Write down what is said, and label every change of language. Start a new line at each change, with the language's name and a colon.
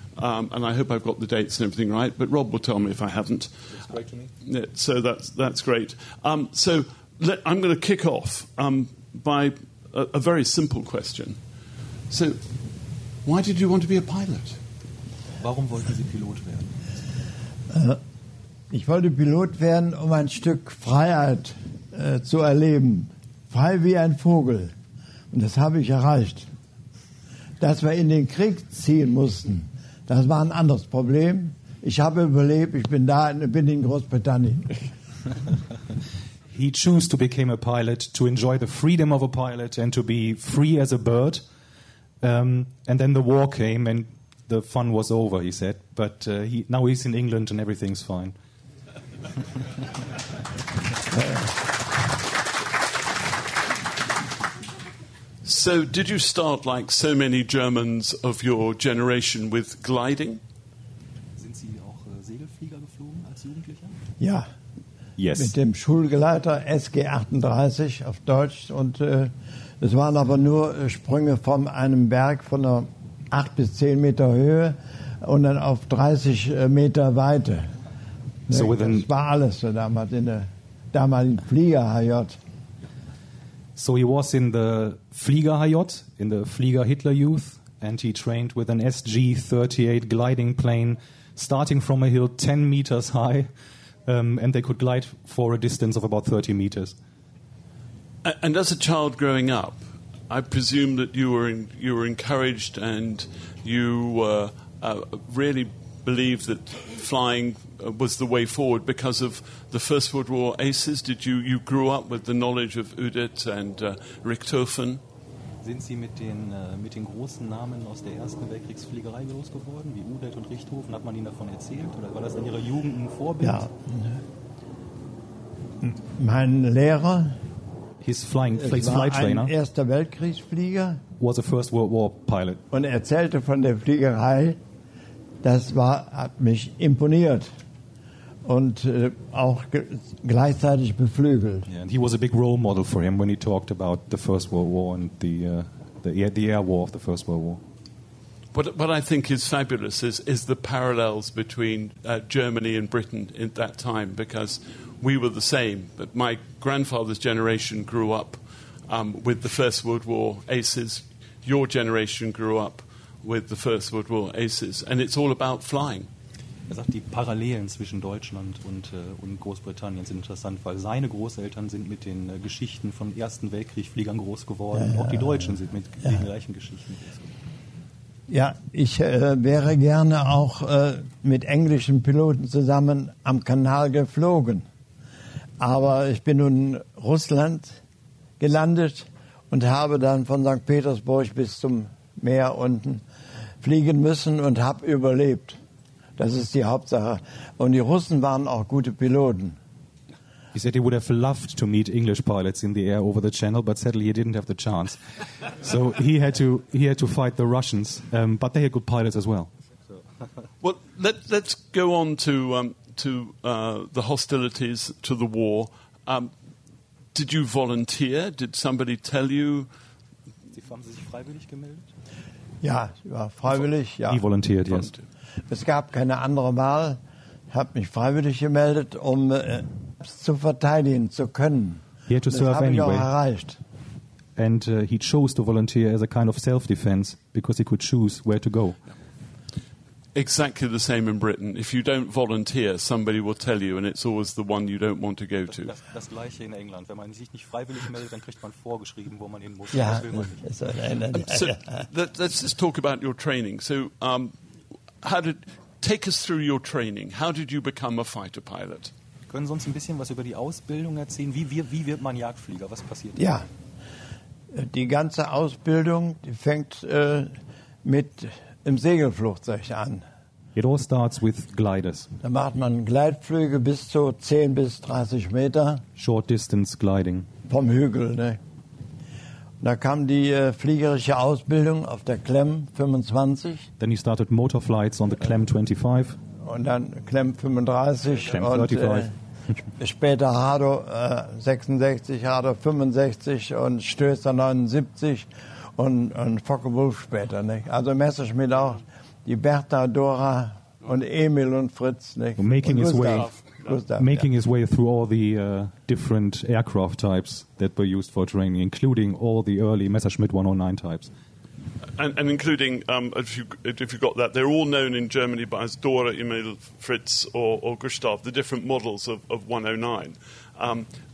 English: And I hope I've got the dates and everything right. But Rob will tell me if I haven't. That's great to me. So that's great. I'm going to kick off by a very simple question. So why did you want to be a pilot?
German: Warum wollten Sie Pilot werden? Ich wollte Pilot werden, um ein Stück Freiheit zu erleben. Frei wie ein Vogel. Und das habe ich erreicht. Dass wir in den Krieg ziehen mussten, das war ein anderes Problem. Ich habe überlebt, ich bin da und bin in Großbritannien.
English: He chose to become a pilot, to enjoy the freedom of a pilot and to be free as a bird. And then the war came and the fun was over, he said. But now he's in England and everything's fine. So did you start, like so many Germans of your generation, with gliding?
German: Sind Sie auch Segelflieger geflogen als Jugendlicher? Ja.
English: Yes.
German: Mit dem Schulgleiter SG-38 auf Deutsch. Und es waren aber nur Sprünge von einem Berg von einer 8 bis 10 Meter Höhe und dann auf 30 Meter Weite.
English: So within,
German: das war alles so damals in der damaligen Flieger HJ.
English: So he was in the Flieger HJ, in the Flieger Hitler Youth, and he trained with an SG-38 gliding plane starting from a hill 10 meters high. And they could glide for a distance of about 30 meters. And as a child growing up, I presume that you were encouraged and you really believed that flying was the way forward because of the First World War aces. Did you grew up with the knowledge of Udet and Richthofen?
German: Sind Sie mit den großen Namen aus der ersten Weltkriegsfliegerei groß geworden, wie Udet und Richthofen? Hat man Ihnen davon erzählt oder war das in Ihrer Jugend ein Vorbild? Ja. Mein Lehrer,
English: his flying flight trainer,
German: war ein erster Weltkriegsflieger,
English: was a First World War pilot.
German: Und erzählte von der Fliegerei, hat mich imponiert und auch gleichzeitig beflügelt.
English: Yeah, and he was a big role model for him when he talked about the First World War and the air war of the First World War. What I think is fabulous is the parallels between Germany and Britain in that time, because we were the same, but my grandfather's generation grew up with the First World War aces. Your generation grew up with the First World War aces, and it's all about flying.
German: Er sagt, die Parallelen zwischen Deutschland und Großbritannien sind interessant, weil seine Großeltern sind mit den Geschichten von Ersten Weltkriegsfliegern groß geworden. Ja, auch die Deutschen sind mit ja. den gleichen Geschichten groß geworden. Ja, ich wäre gerne auch mit englischen Piloten zusammen am Kanal geflogen. Aber ich bin nun in Russland gelandet und habe dann von St. Petersburg bis zum Meer unten fliegen müssen und habe überlebt. Das ist die Hauptsache. Und die Russen waren auch gute Piloten.
English: He said he would have loved to meet English pilots in the air over the channel, but sadly he didn't have the chance. So he had to fight the Russians, but they are good pilots as well. Well, let's go on to the hostilities, to the war. Did you volunteer? Did somebody tell you?
German: Sie haben sich freiwillig gemeldet? Ja, ich war freiwillig, ja.
English: He volunteered, yes.
German: Es gab keine andere Wahl. Ich habe mich freiwillig gemeldet, um zu verteidigen zu können.
English: He had to serve
German: das habe
English: anyway.
German: Ich auch erreicht.
English: And he chose to volunteer as a kind of self-defense because he could choose where to go. Exactly the same in Britain. If you don't volunteer, somebody will tell you and it's always the one you don't want to go to.
German: Das gleiche in England. Wenn man sich nicht freiwillig meldet, dann kriegt man vorgeschrieben, wo man hin muss. Ja. Das will man nicht.
English: So, let's just talk about your training. So, take us through your training. How did you become a fighter pilot?
German: Können Sie uns ein bisschen was über die Ausbildung erzählen? Wie wird man Jagdflieger? Was passiert? Ja, die ganze Ausbildung fängt mit im Segelflugzeug an.
English: It all starts with gliders.
German: Da macht man Gleitflüge bis zu 10 bis 30 Meter.
English: Short distance gliding.
German: Vom Hügel, ne? Da kam die fliegerische Ausbildung auf der Klemm 25.
English: Then he started motor flights on the Klemm 25.
German: Und dann Klemm 35. Klemm 35. Und später Hado 66, Hado 65 und Stößer 79 und Focke Wulf später. Nicht? Also Messerschmitt auch, die Bertha, Dora und Emil und Fritz. Nicht?
English: Making
German: und
English: his way. Gustav, making his way through all the different aircraft types that were used for training, including all the early Messerschmitt 109 types. And including, if you've got that, they're all known in Germany by as Dora, Emil, Fritz, or Gustav, the different models of 109.